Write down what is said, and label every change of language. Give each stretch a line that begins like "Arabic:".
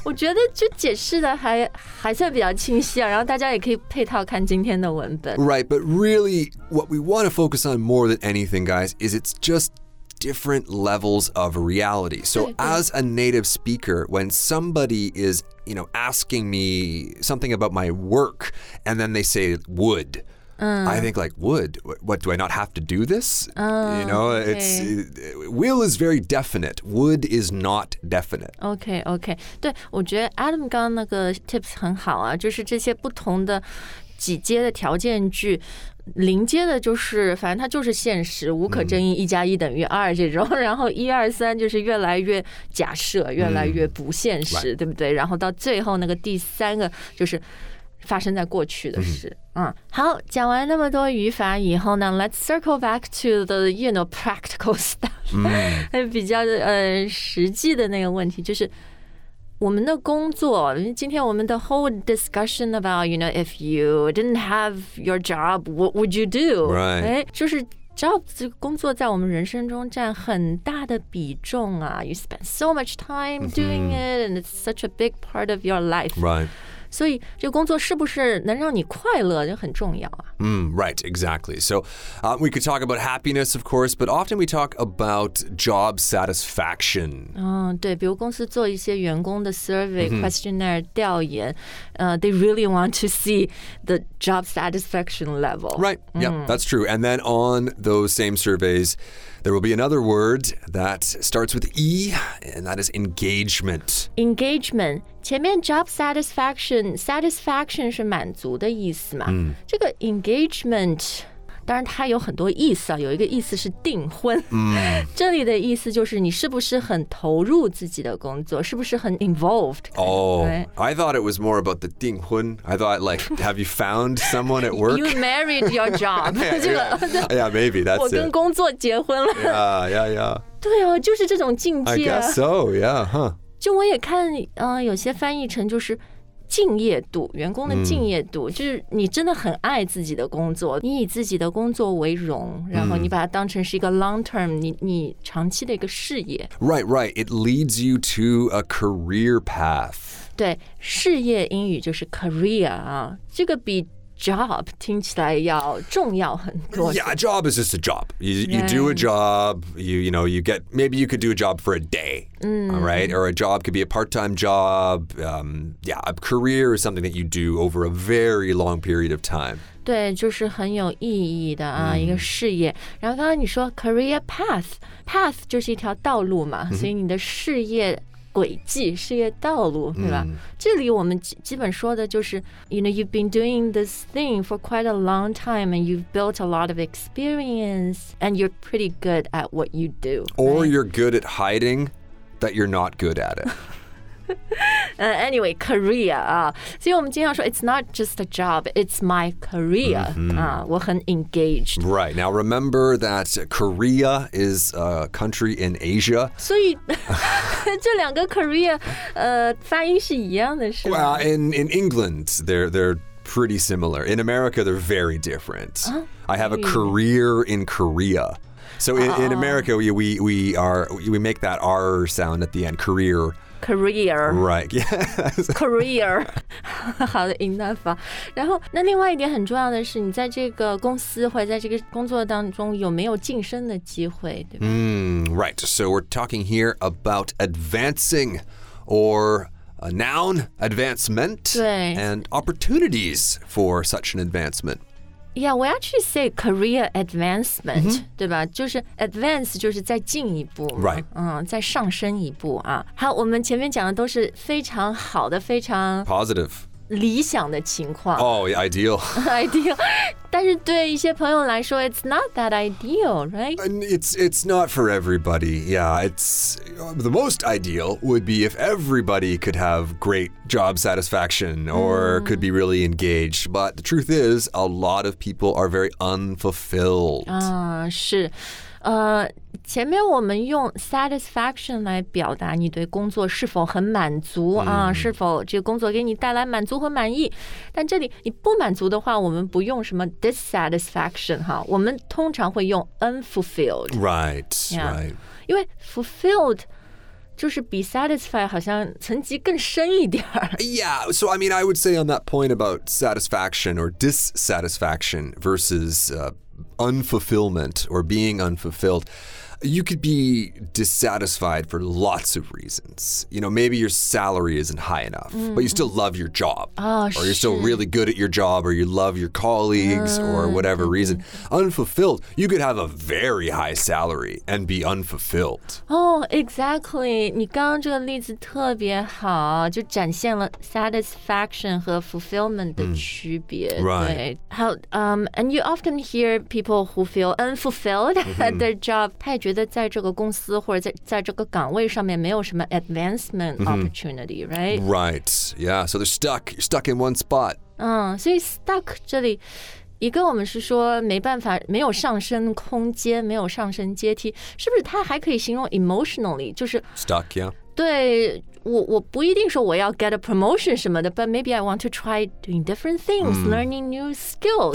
Chinese: 我觉得就解释的还算比较清晰啊，然后大家也可以配套看今天的文本。
English: Right, but really, what we want to focus on more than anything, guys, is it's just different levels of reality. So, as a native speaker, when somebody is, you know, asking me something about my work, and then they say would. I think like, would, what, do I not have to do this? You know, it's, will is very definite. Would is not definite. Okay.
Chinese: 对，我觉得 Adam 刚刚那个 tips 很好啊，就是这些不同的几阶的条件句，零阶的就是，反正它就是现实，无可争议，一加一等于二这种，然后一二三就是越来越假设，越来越不现实，对不对？然后到最后那个第三个就是发生在过去的事。好，讲完那么多语法以后呢 ，
English: Let's circle back to the you know practical stuff，
Chinese: 比较实际的那个问题，就是我们的工作。今天我们的
English: whole discussion about you know if you didn't have your job， what would you do？ Right，
Chinese: 就是 job 这个工作在我们人生中占很大的比重啊。
English: You spend so much time doing it， and it's such a big part of your life。 Right。
Chinese: 所以这工作是不是能让你快乐就很重要啊。
English: Right, exactly. So, we could talk about happiness, of course, but often we talk about job satisfaction.
Chinese: 对，比如公司做一些员工的
English: survey, questionnaire, 调研、they really want to see the job satisfaction level. Right, yeah, that's true. And then on those same surveys, there will be another word that starts with E, and that is engagement. Engagement.
Chinese: 前面 job satisfaction, satisfaction 是满足的意思嘛、这个 engagement, 当然它有很多意思啊，有一个意思是订婚、这里的意思就是你是不是很投入自己的工作，是不是很 involved?
English: I thought it was more about the
Chinese: 订婚
English: I thought like, have you found someone at work? You married your job. yeah, maybe, that's it.
Chinese: 我跟工作结婚了。
English: Yeah.
Chinese: 对哦，就是这种境界。
English: I guess so, yeah, huh.
Chinese: 就我也看、有些翻译成就是敬业度员工的敬业度、就是你真的很爱自己的工作你以自己的工作为荣然后你把它当成是一个 long term 你长期的一个事业
English: Right, right, it leads you to a career path
Chinese: 对事业英语就是 career 啊，这个比job 听起来要重要很多
English: Yeah, a job is just a job. You do a job, you get, maybe you could do a job for a day,、all right? Or a job could be a part-time job.、a career is something that you do over a very long period of time.
Chinese: 对就是很有意义的、一个事业。然后刚刚你说 career path, path 就是一条道路嘛、所以你的事业轨迹事业道路对吧、这里我们基本说的就是
English: you know, you've been doing this thing for quite a long time and you've built a lot of experience and you're pretty good at what you do、 or you're good at hiding that you're not good at it anyway, career、
Chinese: 所以我们经常说
English: it's not just a job, it's my career、
Chinese: 我很
English: engaged Right, now remember that Korea is a country in Asia
Chinese: 所以这两个 Korea、发音是一样的是吗
English: Well, in England, they're pretty similar In America, they're very different、I have a career in Korea So in America, we make that R sound at the end, career Career. Right, yes.
Chinese: Career. 好的 enough 啊。然后那另外一点很重要的是你在这个公司或者在这个工作当中有没有晋升的机会对吧、
English: Right, so we're talking here about advancing or a noun, advancement,
Chinese: 对
English: and opportunities for such an advancement. Yeah, we actually say career advancement,、
Chinese: 对吧？就是 advance 就是再进一步嘛、
English: right.
Chinese: 再上升一步啊。好，我们前面讲的都是非常好的，非常
English: positive
Chinese: 理想的情况。
English: Oh, yeah, ideal. ideal.
Chinese: 但是对一些朋友来说
English: it's not that ideal, right? And it's not for everybody. Yeah, it's the most ideal would be if everybody could have great job satisfaction or、could be really engaged. But the truth is, a lot of people are very unfulfilled.
Chinese: 是。前面我们用 satisfaction 来表达你对工作是否很满足啊、是否这个工作给你带来满足和满意但这里你不满足的话我们不用什么 dissatisfaction 哈我们通常会用 unfulfilled
English: right, yeah, right
Chinese: 因为 fulfilled 就是比 satisfied 好像层级更深一点
English: yeah so I mean I would say on that point about satisfaction or dissatisfaction versus unfulfillment or being unfulfilled, you could be dissatisfied for lots of reasons. You know, maybe your salary isn't high enough,、but you still love your job,、or you're still really good at your job, or you love your colleagues,、or whatever reason. Unfulfilled, you could have a very high salary and be unfulfilled. Oh, exactly.
Chinese: 你刚刚这个例子特别好，就展现了 satisfaction 和 fulfillment 的区别。
English: Right. 好 and you often hear people who feel unfulfilled at their job.
Chinese: 觉得在这个公司或者在这个岗位上面没有什么 advancement opportunity,、
English: right? Right, yeah, so they're stuck. You're stuck in one spot.
Chinese: 所以 stuck 这里一个我们是说没办法没有上升空间没有上升阶梯是不是它还可以形容 emotionally 就是
English: stuck, yeah. 对
Chinese: 我不一定说我要
English: get a promotion
Chinese: 什么的
English: but maybe I want to try doing different things,、learning new skills.